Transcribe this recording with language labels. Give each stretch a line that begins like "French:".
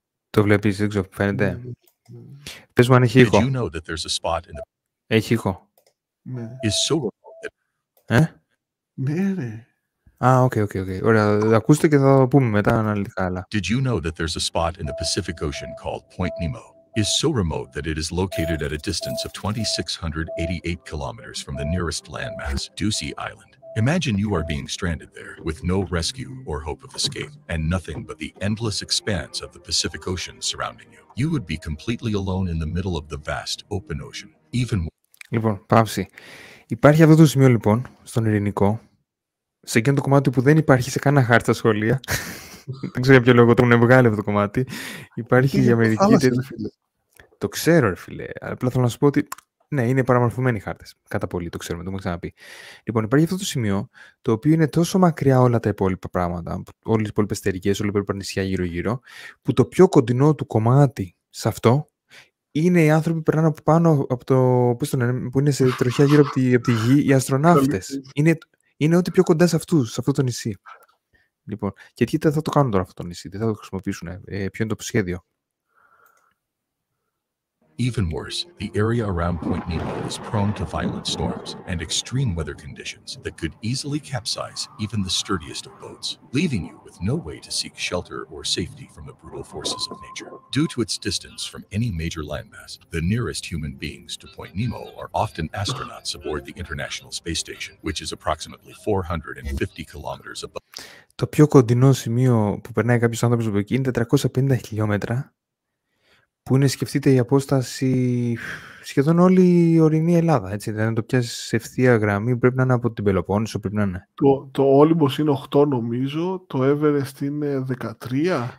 Greek: Το βλέπεις, δεν ξέρω, φαίνεται. Πες μου αν έχει ήχο. Έχει ήχο. Ναι. Ναι, ρε. Okay. Ωραία, ακούστε και θα το πούμε μετά αναλυτικά άλλα.
English: Did you know that there's a spot in the Pacific Ocean called Point Nemo? It's so remote that it is located at a distance of 2,688 kilometers from the nearest landmass, Ducey Island. Imagine you are being stranded there with no rescue or hope of escape and nothing but the endless expanse of the Pacific Ocean surrounding you. You would be completely alone in the middle of the vast open ocean. Even
Greek: Λοιπόν, πάυση. Υπάρχει αυτό το σημείο λοιπόν στον Ειρηνικό, σε εκείνο το κομμάτι που δεν υπάρχει σε κανένα χάρτη στα σχολεία. Δεν ξέρω για ποιο λόγο το έχουν βγάλει αυτό το κομμάτι. Υπάρχει η Αμερική. Το ξέρω, ρε φίλε. Απλά θέλω να σου πω ότι ναι, είναι παραμορφωμένοι οι χάρτες. Κατά πολύ το ξέρουμε, το έχουμε ξαναπεί. Λοιπόν, υπάρχει αυτό το σημείο, το οποίο είναι τόσο μακριά όλα τα υπόλοιπα πράγματα, όλες τις υπόλοιπες εταιρικές, όλα τα υπόλοιπα νησιά γύρω-γύρω, που το πιο κοντινό του κομμάτι σε αυτό είναι οι άνθρωποι που περνάνε από πάνω από το. Πώς το λένε, που είναι σε τροχιά γύρω από τη γη, οι αστροναύτες. Είναι ό,τι πιο κοντά σε αυτού, σε αυτό το νησί. Λοιπόν, και τι θα το κάνουν τώρα αυτό το νησί, τι θα το χρησιμοποιήσουν, ποιο είναι το σχέδιο.
English: Even worse, the area around Point Nemo is prone to violent storms and extreme weather conditions that could easily capsize even the sturdiest of boats, leaving you with no way to seek shelter or safety from the brutal forces of nature. Due to its distance from any major landmass, the nearest human beings to Point Nemo are often astronauts aboard the International Space Station, which is approximately 450 kilometers above.
Greek: Το πιο κοντινό σημείο που περνάει κάποιος άνθρωπος από εκεί είναι 450 χιλιόμετρα. Που είναι, σκεφτείτε, η απόσταση σχεδόν όλη η ορεινή Ελλάδα, έτσι. Δηλαδή, να το πιάσει σε ευθεία γραμμή, πρέπει να είναι από την Πελοπόννησο, πρέπει να είναι. Το Όλυμπος είναι 8, νομίζω. Το Everest είναι 13.